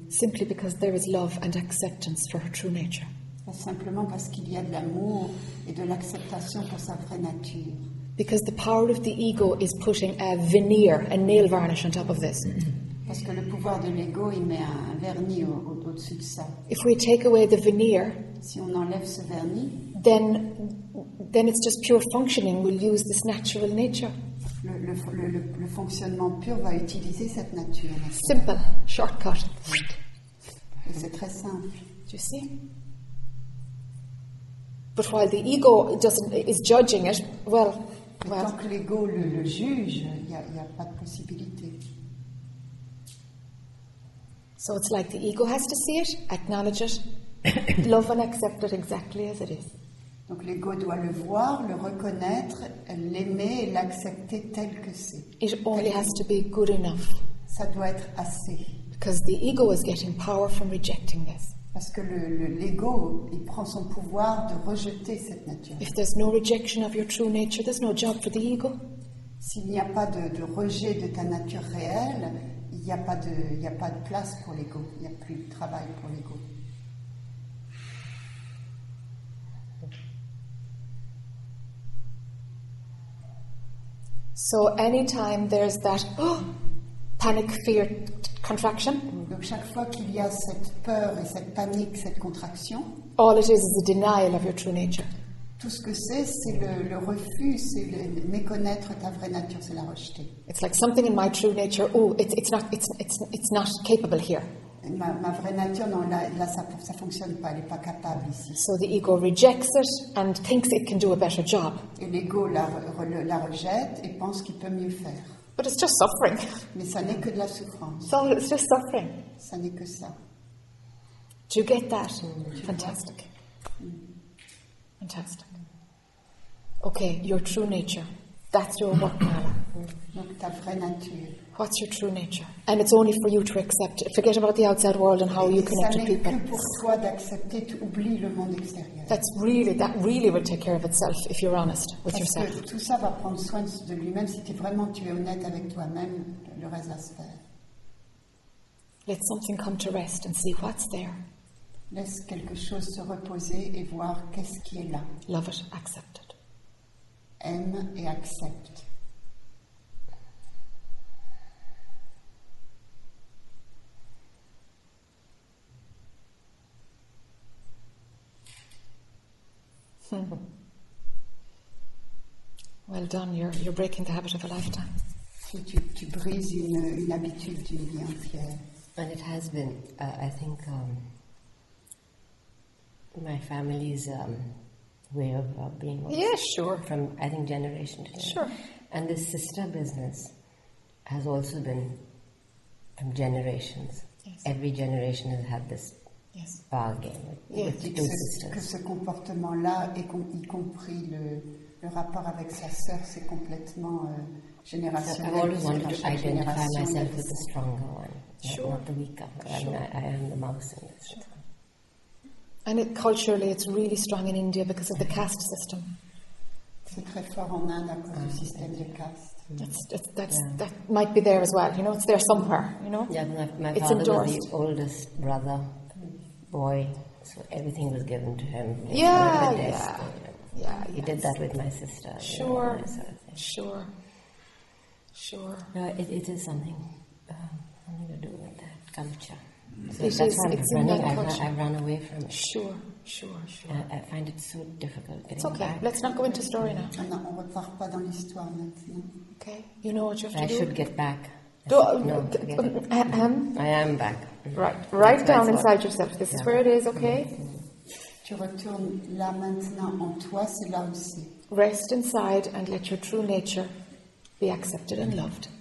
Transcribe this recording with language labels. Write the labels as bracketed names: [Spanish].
[English] Simply because there is love and acceptance for her true nature. [French] Simplement parce qu'il y a de l'amour et de l'acceptation pour sa vraie nature. [English] Because the power of the ego is putting a veneer, a nail varnish on top of this. [French] Parce que le pouvoir de l'ego, il met un vernis au-dessus de ça. [English] If we take away the veneer, [French] si on enlève ce vernis, [English] then it's just pure functioning. We'll use this natural nature. [French] Le fonctionnement pur va utiliser cette nature. [English] Simple, shortcut. [French] Et c'est très simple. [English] You see? But while the ego is judging it, well. [French] Tant que l'ego le juge, il y a pas de possibilité. [English] So it's like the ego has to see it, acknowledge it, love and accept it exactly as it is. [French] Donc l'ego doit le voir, le reconnaître, l'aimer et l'accepter tel que c'est. [English] It only has to be good enough. [French] Ça doit être assez. [English] Because the ego is getting power from rejecting this. [French] Parce que l'ego, il prend son pouvoir de rejeter cette nature. [English] If there's no rejection of your true nature, there's no job for the ego. [French] S'il n'y a pas de rejet de ta nature réelle, il n'y a pas de place pour l'ego. Il n'y a plus de travail pour l'ego. [English] So anytime there's that panic, fear, contraction. [French] Donc chaque fois qu'il y a cette peur et cette panique, cette contraction. [English] All it is a denial of your true nature. [French] Tout ce que c'est le refus, c'est le méconnaître ta vraie nature, c'est la rejeter. [English] It's like something in my true nature. Oh, it's not capable here. [French] Ma vraie nature, non, là ça fonctionne pas, elle est pas capable ici. [English] So the ego rejects it and thinks it can do a better job. [French] Et l'ego la rejette et pense qu'il peut mieux faire. [English] But it's just suffering. [French] Mais ça n'est que de la souffrance. [English] So it's just suffering. [French] Ça n'est que ça. [English] Do you get that? Mm-hmm. Fantastic. Mm-hmm. Fantastic. Okay, your true nature. That's your what now. [French] Donc ta vraie nature. [English] What's your true nature? And it's only for you to accept it. Forget about the outside world and how you connect to people. [French] Ça n'est que pour toi d'accepter, t'oublies le monde extérieur. [English] That really will take care of itself if you're honest with yourself. [French] Parce que tout ça va prendre soin de lui-même si tu es honnête avec toi-même, le reste va se faire. [English] Let something come to rest and see what's there. [French] Laisse quelque chose se reposer et voir qu'est-ce qui est là. [English] Love it, accept it. [French] Aime et accepte. [English] Well done, you're breaking the habit of a lifetime. [French] Si tu brises une habitude d'une vie entière. [English] And it has been, I think, my family's way of being. Yeah, sure. From, I think, generation to generation. Sure. And this sister business has also been from generations. Yes. Every generation has had this. Yes. Bargain. Yes. [French] Que ce comportement-là, y compris le rapport avec sa sœur, c'est complètement générationnel. [English] I've always wanted to identify myself with the stronger one, sure. Not the weaker. Sure. I am the mouse in this. Sure. And culturally, it's really strong in India because of the caste system. [French] C'est très fort en Inde à cause du système de caste. [English] That might be there as well. You know, it's there somewhere. You know. Yeah, my father endorsed. Was the oldest brother. Boy, so everything was given to him. He did that with my sister. Sure, you know, sort of thing. Sure, sure. No, it is something, something to do with that culture. So it that's is, why I'm running. I've run away from it. Sure, sure, sure. I find it so difficult. It's okay. Back. Let's not go into story now. [French] Non, on ne va pas dans l'histoire maintenant. [English] Okay, you know what you have but to I do. I should get back. I am back. Right down inside yourself. This is where it is, okay? [French] Tu retournes là maintenant en toi, c'est là aussi. [English] Rest inside and let your true nature be accepted and loved.